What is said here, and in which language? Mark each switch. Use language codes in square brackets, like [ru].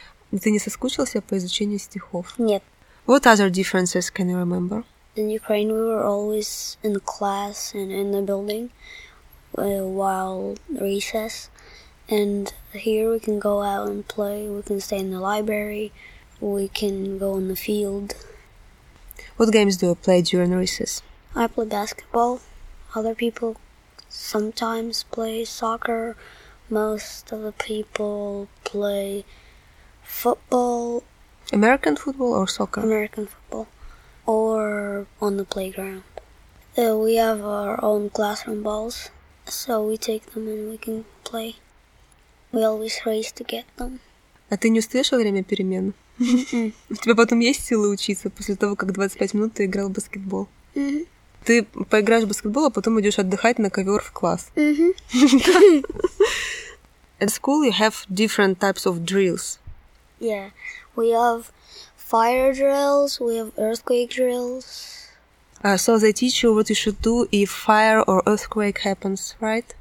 [ru] Ты не соскучился по изучению стихов? Нет. [en] What other differences can you remember? In Ukraine we were always in class and in the building while recess. And here we can go out and play, we can stay in the library. We can go on the field. What games do you play during recess? I play basketball. Other people sometimes play soccer. Most of the people play football. American football or soccer? American football. Or on the playground. We have our own classroom balls, so we take them and we can play. We always race to get them. [ru] А ты не устаешь во время перемен? У тебя потом есть силы учиться после того, как 25 минут ты играл в баскетбол? Ты поиграешь в баскетбол, а потом идешь отдыхать на ковер в класс. [en] At school you have different types of drills. Yeah, we have fire drills, we have earthquake drills. So they teach you what you should do if fire or earthquake happens, right?